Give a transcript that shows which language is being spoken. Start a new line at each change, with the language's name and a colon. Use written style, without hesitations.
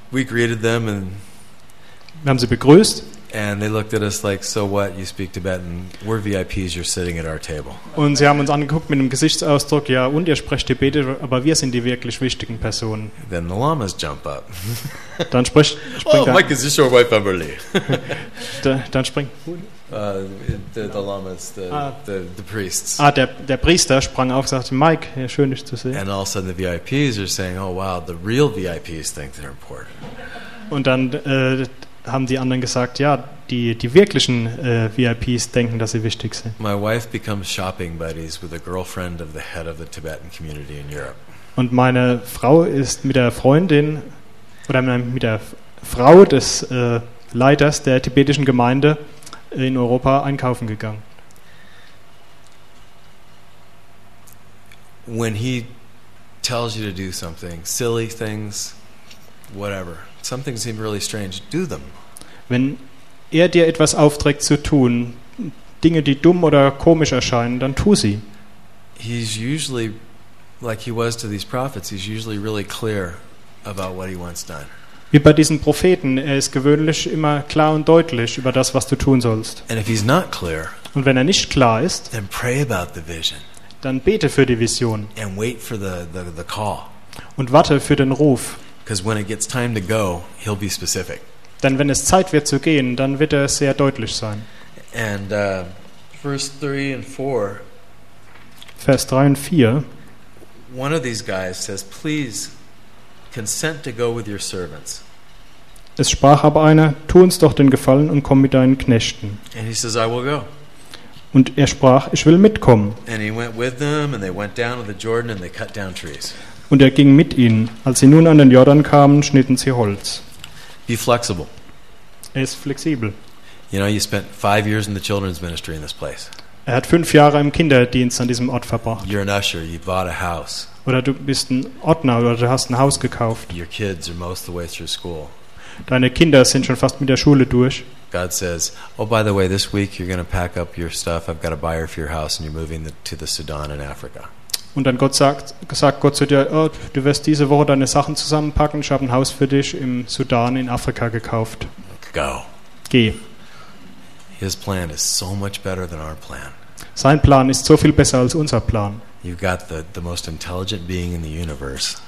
English: We greeted them and
German: wir haben sie begrüßt.
English: And they looked at us like, so what, you speak Tibetan, we're VIPs, you're sitting at our table.
German: Und sie haben uns angeguckt mit einem Gesichtsausdruck, ja, und ihr sprecht Tibetisch, aber wir sind die wirklich wichtigen Personen.
English: Then the Lamas jump up.
German: Dann springt
English: oh, Mike, is this your wife, Amberly?
German: Dann springt
English: the Lamas, the priests.
German: Ah, der Priester sprang auf und sagte, Mike, ja, schön, dich zu sehen.
English: And all of a sudden the VIPs are saying, oh wow, the real VIPs think they're important.
German: Und dann haben die anderen gesagt, ja, die wirklichen VIPs denken, dass sie wichtig sind.
English: My wife becomes shopping buddies with a girlfriend of the head of the Tibetan community in Europe.
German: Und meine Frau ist mit der Freundin oder mit der Frau des Leiters der tibetischen Gemeinde in Europa einkaufen gegangen.
English: When he tells you to do something, silly things, whatever. Something seems really strange. Do them.
German: Wenn er dir etwas aufträgt zu tun, Dinge, die dumm oder komisch erscheinen, dann tu sie.
English: He's usually, like he was to these prophets, he's usually really clear about what he wants done.
German: Wie bei diesen Propheten, er ist gewöhnlich immer klar und deutlich über das, was du tun sollst.
English: And if he's not clear,
German: und wenn er nicht klar ist,
English: then pray about the vision.
German: Dann bete für die Vision.
English: And wait for the call.
German: Und warte für den Ruf.
English: Because when it gets time to go, he'll be specific.
German: Dann wenn es Zeit wird zu gehen, dann wird er sehr deutlich sein.
English: And verse 3 and 4.
German: Vers 3 und 4.
English: One of these guys says, "Please consent to go with your servants."
German: Es sprach aber einer, "Tu uns doch den Gefallen und komm mit deinen Knechten."
English: And he says, "I will go."
German: Und er sprach, "Ich will mitkommen."
English: And he went with them and they went down to the Jordan and they cut down trees.
German: Und er ging mit ihnen. Als sie nun an den Jordan kamen, schnitten sie Holz.
English: Be flexible.
German: Er ist flexibel.
English: You know, you spent 5 years in the children's ministry in this place.
German: Er hat 5 Jahre im Kinderdienst an diesem Ort verbracht.
English: You're an usher. You bought a house.
German: Oder du bist ein Ordner oder du hast ein Haus gekauft.
English: Your kids are most of the way through school.
German: Deine Kinder sind schon fast mit der Schule durch.
English: God says, oh, by the way, this week you're going to pack up your stuff. I've got a buyer for your house and you're moving to the Sudan in Africa.
German: Und dann sagt Gott zu dir, oh, du wirst diese Woche deine Sachen zusammenpacken, ich habe ein Haus für dich im Sudan in Afrika gekauft.
English: Go.
German: Geh.
English: His plan is so much better than our plan.
German: Sein Plan ist so viel besser als unser Plan.
English: You've got the most intelligent being in the universe.